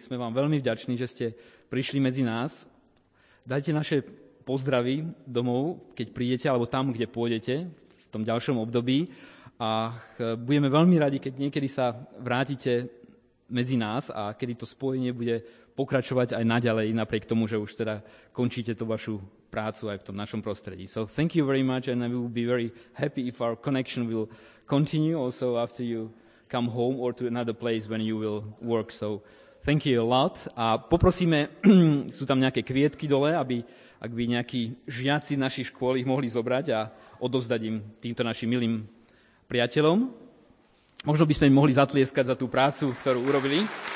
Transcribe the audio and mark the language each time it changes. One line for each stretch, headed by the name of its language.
Slovak: Sme vám veľmi vďační, že ste prišli medzi nás. Dajte naše pozdravy domov, keď prídete, alebo tam, kde pôjdete v tom ďalšom období. A budeme veľmi radi, keď niekedy sa vrátite medzi nás a kedy to spojenie bude pokračovať aj naďalej, napriek tomu, že už teda končíte tú vašu prácu aj v tom našom prostredí.
English: So thank you very much and I will be very happy if our connection will continue also after you come home or to another place when you will work. So thank you a lot.
Slovak: A poprosíme, sú tam nejaké kvietky dole, aby ak by nejakí žiaci našich škôl ich mohli zobrať a odovzdať im týmto našim milým priateľom. Možno by sme im mohli zatlieskať za tú prácu, ktorú urobili.